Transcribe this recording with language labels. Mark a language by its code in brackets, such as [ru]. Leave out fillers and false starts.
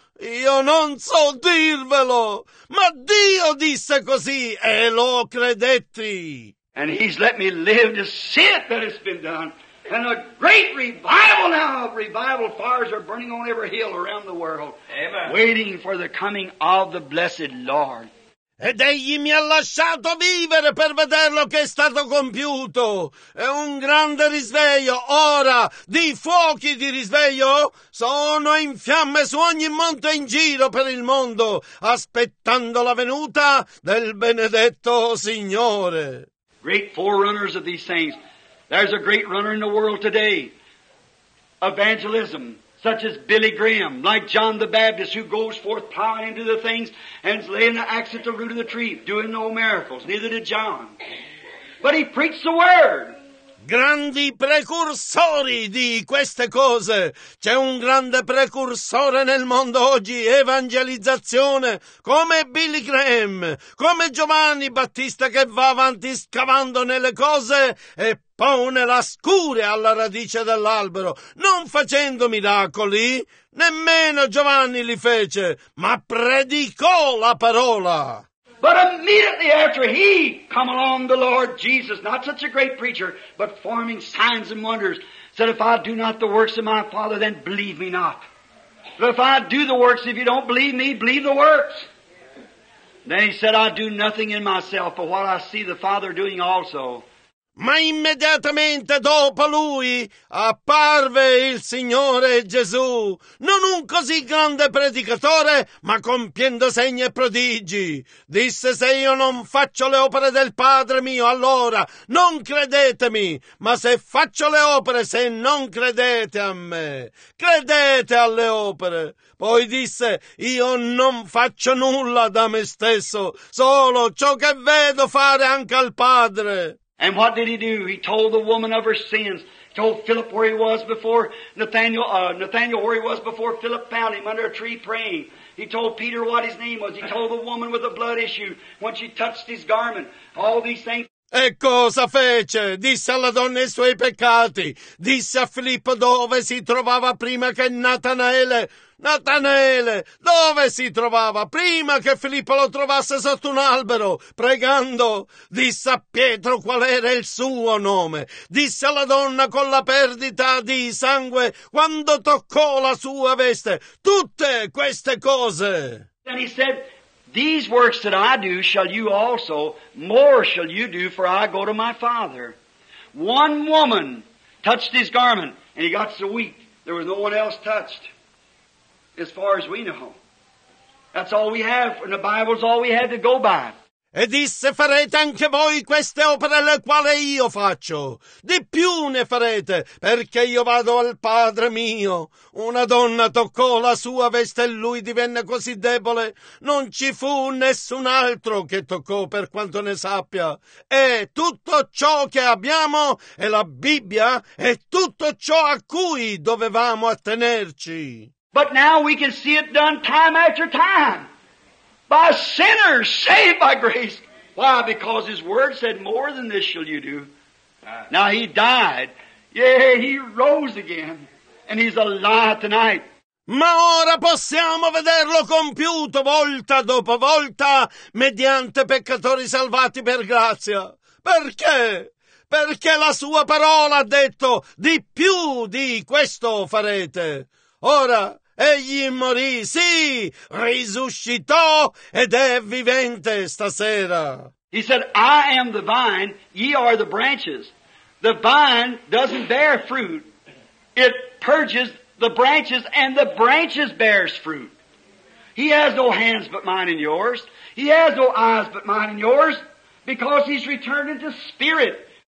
[it] Io non so dirvelo, ma Dio disse così e lo credetti. [en] And he's let me live to see it that it's been done. And a great revival now, revival fires are burning on every hill around the world. Amen. Waiting for the coming of the blessed Lord. [it] Ed egli mi ha lasciato vivere per vederlo che è stato compiuto. È un grande risveglio. Ora, di fuochi di risveglio, sono in fiamme su ogni monte in giro per il mondo, aspettando la venuta del benedetto Signore. [en] Great forerunners of these things. There's a great runner in the world today. Evangelism. Such as Billy Graham, like John the Baptist, who goes forth plowing into the things and laying the axe at the root of the tree, doing no miracles, neither did John. But he preached the word. [it] Grandi precursori di queste cose. C'è un grande precursore nel mondo oggi, evangelizzazione, come Billy Graham, come Giovanni Battista, che va avanti scavando nelle cose e pone la scure alla radice dell'albero, non facendo miracoli. Nemmeno Giovanni li fece, ma predicò la parola. [en] But immediately after he come along the Lord Jesus, not such a great preacher, but forming signs and wonders, said, if I do not the works of my Father, then believe me not. But if I do the works, if you don't believe me, believe the works. Then he said, I do nothing in myself, but what I see the Father doing also. [it] Ma immediatamente dopo lui apparve il Signore Gesù, non un così grande predicatore, ma compiendo segni e prodigi. Disse, se io non faccio le opere del Padre mio, allora non credetemi, ma se faccio le opere, se non credete a me, credete alle opere. Poi disse, io non faccio nulla da me stesso, solo ciò che vedo fare anche al Padre. [en] And what did he do? He told the woman of her sins. He told Philip where he was before Nathaniel. Nathaniel where he was before Philip found him under a tree praying. He told Peter what his name was. He told the woman with the blood issue when she touched his garment. All these things. [it] E cosa fece? Disse alla donna i suoi peccati. Disse a Filippo dove si trovava prima che Natanaele. Natanaele, dove si trovava prima che Filippo lo trovasse sotto un albero, pregando? Disse a Pietro qual era il suo nome. Disse alla donna con la perdita di sangue quando toccò la sua veste. Tutte queste cose. [en] And he said, these works that I do shall you also, more shall you do, for I go to my Father. One woman touched his garment, and he got so weak, there was no one else touched. As far as we know. That's all we have, and the Bible's all we had to go by. [it] E disse, farete anche voi queste opere le quali io faccio. Di più ne farete, perché io vado al Padre mio. Una donna toccò la sua veste e lui divenne così debole. Non ci fu nessun altro che toccò, per quanto ne sappia. E tutto ciò che abbiamo è la Bibbia, è tutto ciò a cui dovevamo attenerci. [en] But now we can see it done time after time. by sinners, saved by grace. Why? Because His Word said, more than this shall you do. Now He died. Yea, He rose again. And He's alive tonight. [it] Ma ora possiamo vederlo compiuto volta dopo volta mediante peccatori salvati per grazia. Perché? Perché la sua parola ha detto di più di questo farete. Ora, egli morì, sì, risuscitò ed è vivente stasera. [en] He said, I am the vine, ye are the branches. The vine doesn't bear fruit. It purges the branches, and the branches bears fruit. He has no hands but mine and yours. He has no eyes but mine and yours, because He's returned into spirit.